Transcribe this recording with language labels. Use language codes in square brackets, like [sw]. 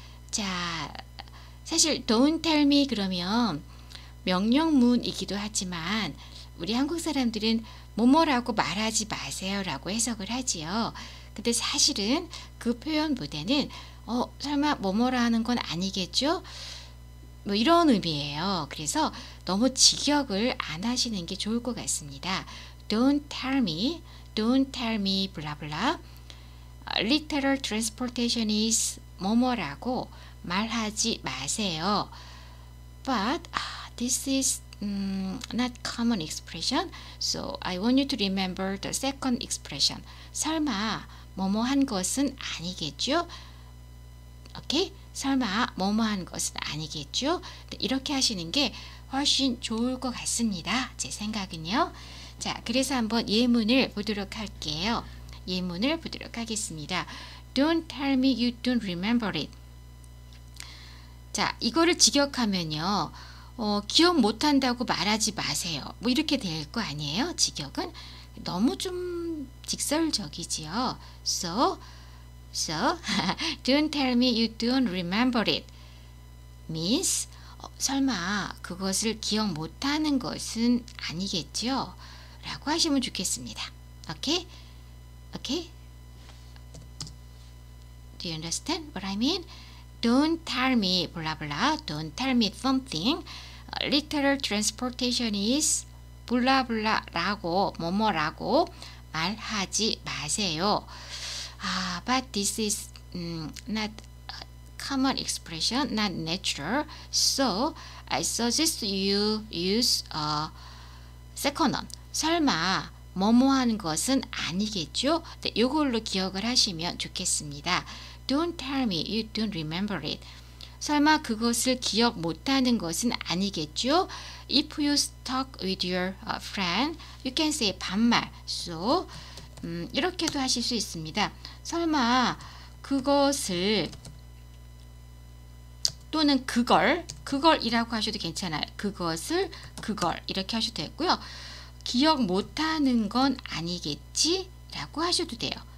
[ko] 자, 사실 [en] don't tell me [ko] 그러면 명령문이기도 하지만 우리 한국 사람들은 뭐뭐라고 말하지 마세요라고 해석을 하지요. 근데 사실은 그 표현 무대는 설마 뭐뭐라 하는 건 아니겠죠? 뭐 이런 의미예요. 그래서 너무 직역을 안 하시는 게 좋을 것 같습니다. [en] Don't tell me, don't tell me, blah blah. Literal transportation is [ko] 뭐뭐라고 말하지 마세요. [en] But this is not common expression. So I want you to remember the second expression. [ko] 설마 뭐뭐한 것은 아니겠죠? [en] Okay? [ko] 설마 뭐뭐한 것은 아니겠죠? 이렇게 하시는 게 훨씬 좋을 것 같습니다. 제 생각은요. 자, 그래서 한번 예문을 보도록 할게요. 예문을 보도록 하겠습니다. [en] Don't tell me you don't remember it. [ko] 자, 이거를 직역하면요. 기억 못한다고 말하지 마세요. 뭐 이렇게 될 거 아니에요? 직역은 너무 좀 직설적이지요. [en] So, don't tell me you don't remember it. Means, [ko] 설마 그것을 기억 못하는 것은 아니겠죠? 라고 하시면 좋겠습니다. [en] Okay? Okay? Do you understand what I mean? Don't tell me, blah blah, don't tell me something. Literal transportation is, blah blah, [ko] 라고, 뭐뭐라고 말하지 마세요. [en] But this is not a common expression, not natural. So I suggest you use a second one. [ko] 설마 뭐뭐한 것은 아니겠죠? 네, 이걸로 기억을 하시면 좋겠습니다. Don't tell me you don't remember it. 설마 그것을 기억 못하는 것은 아니겠죠? [en] If you talk with your friend, you can say 반말. [ko] So 이렇게도 하실 수 있습니다. 설마 그것을 또는 그걸이라고 하셔도 괜찮아요. 그것을 그걸 이렇게 하셔도 되고요. 기억 못하는 건 아니겠지? 라고 하셔도 돼요.